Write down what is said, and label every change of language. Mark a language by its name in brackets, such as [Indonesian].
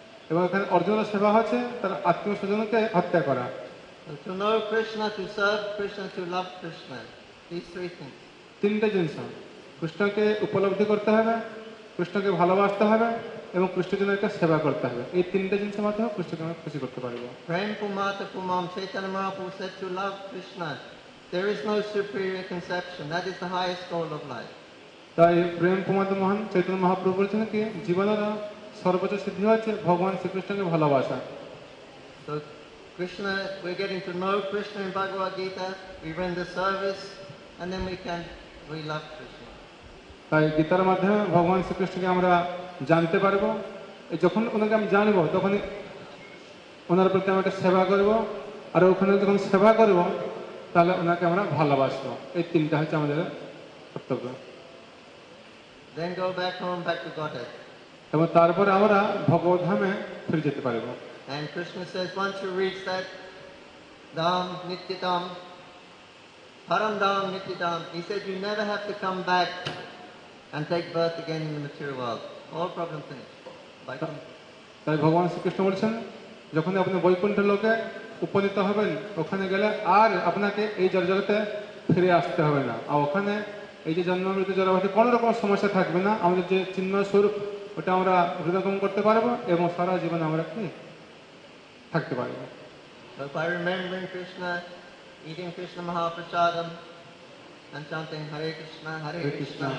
[Bangla] এবং এখানে অর্জুনের সেবা হচ্ছে তার আত্মীয় স্বজনকে হত্যা করা। [English] To know Krishna, to serve Krishna, to love Krishna. These three things. [Bangla] তিনটা জিনিস কৃষ্ণকে উপলব্ধি করতে হবে, কৃষ্ণকে ভালোবাসতে হবে এবং কৃষ্ণজনকে সেবা করতে হবে। এই তিনটা জিনিসের মাধ্যমে কৃষ্ণকে আমরা খুশি করতে পারবো। [Sanskrit] প্রেম পুমাত পুমাম [English] Chaitanya Mahaprabhu said to love Krishna. There is no superior conception. That is the highest goal of life. [Bangla] তাই [Sanskrit] প্রেম পুমাত মহান [Bangla] চৈতন্য মহাপ্রভু বলেছেন কি জীবনের সর্বোচ্চ সিদ্ধি হচ্ছে ভগবান শ্রীকৃষ্ণকে ভালোবাসা। [English] Krishna, we're getting to know Krishna in Bhagavad Gita, we render service, and then we love Krishna. [Bangla] তাই গীতার মাধ্যমে ভগবান শ্রীকৃষ্ণকে আমরা জানতে পারবো, যখন ওনাকে আমি জানবো তখনই ওনার প্রতি আমাকে সেবা করবো, আর ওখানে যখন সেবা করবো তাহলে ওনাকে আমরা ভালোবাসবো। এই তিনটা হচ্ছে আমাদের কর্তব্য। [English] Then go back home, back to Godhead. [Bangla] এবং তারপরে আমরা ভগবদ্ধামে ফিরে যেতে পারবো। [English] And Krishna says, once you reach that dham, nitya dham, param dham, nitya dham, he said, you never have to come back and take birth again in the material world. All problem finished. [Bangla] তাই ভগবান শ্রীকৃষ্ণ বলছেন যখন আপনি বৈকুণ্ঠ লোকে উপনীত হবেন ওখানে গেলে আর আপনাকে এই জড়জগতে ফিরে আসতে হবে না, আর ওখানে এই যে জন্ম মৃত্যু জড়জগতে কোনো রকম সমস্যা থাকবে না, আমাদের যে চিহ্ন স্বরূপ ওটা আমরা হৃদয়ঙ্গম করতে পারবো এবং সারা জীবন আমরা কি [English] But by remembering Krishna, eating Krishna Mahaprasadam, and chanting Hare Krishna, Hare Krishna,